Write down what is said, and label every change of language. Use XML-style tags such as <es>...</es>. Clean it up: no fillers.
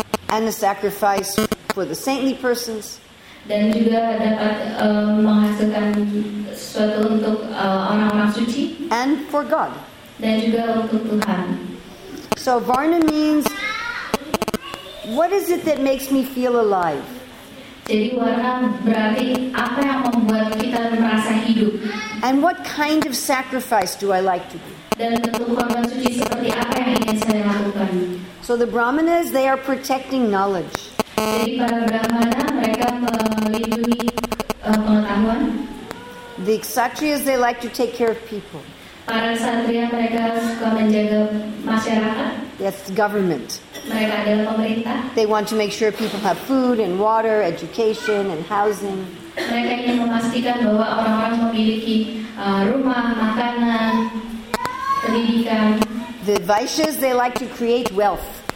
<en>And a sacrifice for the saintly persons.</en> <id>Dan juga dapat menghasilkan sesuatu untuk orang-orang suci.</id> <en>And for God.</en> <id>Dan juga untuk Tuhan.</id> <en>So varna means, what is it that makes me feel alive?</en> <id>Jadi warna berarti apa yang membuat kita merasa hidup.</id> <en>And what kind of sacrifice do I like to do?</en> <id>Dan bentuk korban suci seperti apa yang ingin saya lakukan?</id> <en>So the brahmanas, they are protecting knowledge.</en> <id>Jadi para brahmana mereka melindungi pengetahuan.</id> <en>The kshatriyas, they like to take care of people.</en> <id>Para ksatria mereka suka menjaga masyarakat.</id> <en>That's the government.</en> <id>Mereka adalah pemerintah.</id> <en>They want to make sure people have food and water, education and housing.</en> <id>Mereka ingin memastikan bahwa orang-orang memiliki rumah, makanan, pendidikan.</id> <en>The Vaishyas, they like to create wealth.</en>